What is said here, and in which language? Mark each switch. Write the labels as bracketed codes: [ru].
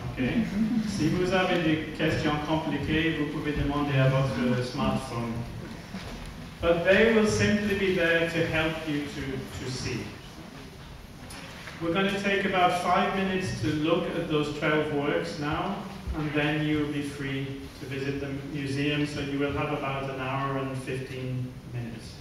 [en] Okay? [fr] Si vous avez des questions compliquées, vous pouvez demander à votre smartphone. [en] But they will simply be there to help you to see. We're going to take about 5 minutes to look at those 12 works now, and then you'll be free to visit the museum, so you will have about an hour and 15 minutes.